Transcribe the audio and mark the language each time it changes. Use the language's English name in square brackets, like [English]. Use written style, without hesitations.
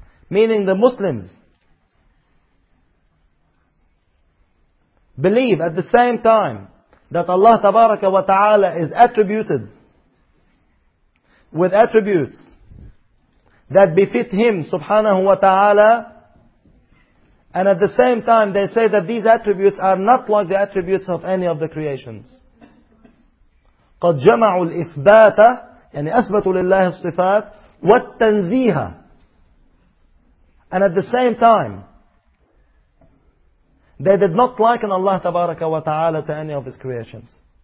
[English] Meaning the Muslims believe at the same time that Allah Tabaraka wa Ta'ala is attributed with attributes that befit him subhanahu wa ta'ala. And at the same time, they say that these attributes are not like the attributes of any of the creations. [Arabic] قَدْ جَمَعُوا الْإِثْبَاتَ يعني أثبتوا لله الصفات والتنزيها. [English] And at the same time, they did not liken Allah tabaraka wa ta'ala to any of His creations.